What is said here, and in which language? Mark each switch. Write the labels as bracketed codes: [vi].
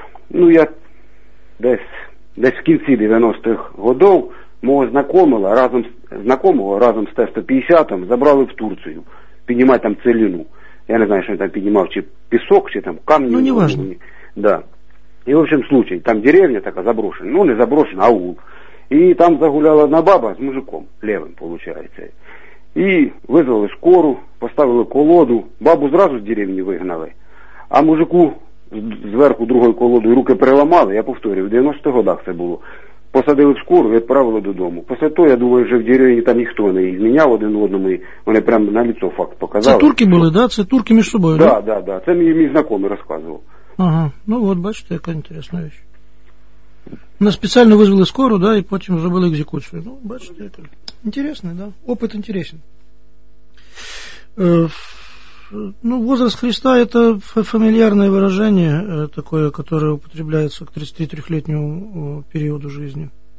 [uk] Ну, я десь в кінці 90-х [ru] годов [uk] мого [ru] знакомого [uk] разом з Т-150 забрали в Турцію. [ru] поднимать там целину. Я не знаю, что он там поднимал, чи песок, чи там камни. Ну, неважно. Да. И, в общем, случай. Там деревня такая заброшенная. Ну, не заброшенная, аул. И там загуляла одна баба с мужиком, левым, получается. И вызвали скорую, поставили колоду. Бабу сразу с деревни выгнали. [uk] А мужику зверху другої колоди руки переламали, я повторюю, в 90-х годах це було. Посадили в скору і відправили додому. Після того, я думаю, вже в деревні там ніхто не зміняв один одному, і вони прямо [ru] на лицо факт [uk] показали. Це турки були, да? Це турки між собою, да? Так, так, так. Це мій знайомий розказував. Ага, ну от бачите, яка інтересна річ. Нас спеціально визвали скору, да, і потім зробили екзекуцію. Ну, бачите, яка. Інтересний, да? Опит інтересен. [ru] Ну, возраст Христа – это фамильярное выражение такое, которое употребляется к 33-летнему периоду жизни.